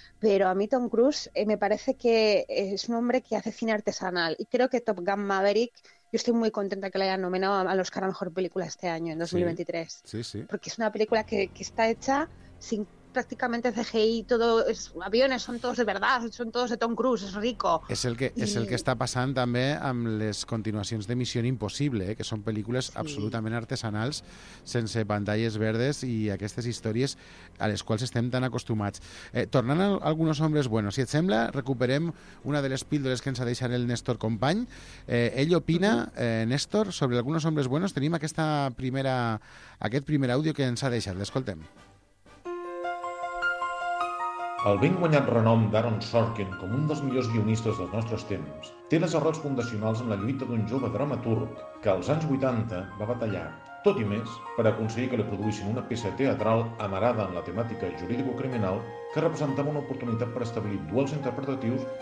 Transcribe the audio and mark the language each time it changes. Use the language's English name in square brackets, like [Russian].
[Spanish] Pero a mí Tom Cruise me parece que es un hombre que hace cine artesanal. Y creo que Top Gun Maverick, yo estoy muy contenta que le hayan nominado al Oscar a Mejor Película este año, en 2023. Sí, sí. Porque es una película que está hecha sin prácticamente CGI, todo es aviones, son todos de verdad, son todos de Tom Cruise, es rico. Es el que está pasando también [Catalan] amb les continuacions de Missió Impossible, que son películas absolutament artesanals, sense pantalles verdes i aquestes històries a les quals estem tan acostumats. Tornant a Algunos Hombres Buenos, si et sembla, recuperem una de les píldoles que ens ha deixat el Néstor Company. Ell opina, Néstor, sobre Algunos Hombres Buenos. Tenim aquest primer àudio que ens ha deixat. L'escoltem. El ben guanyat renom d'Aaron Sorkin com un dels millors guionistes dels nostres temps té les arrels fundacionals en la lluita d'un jove dramaturg que als anys 80 va batallar, tot i més, per aconseguir que li produïssin una peça teatral amarada en la temàtica jurídico-criminal que representava una oportunitat per establir duels interpretatius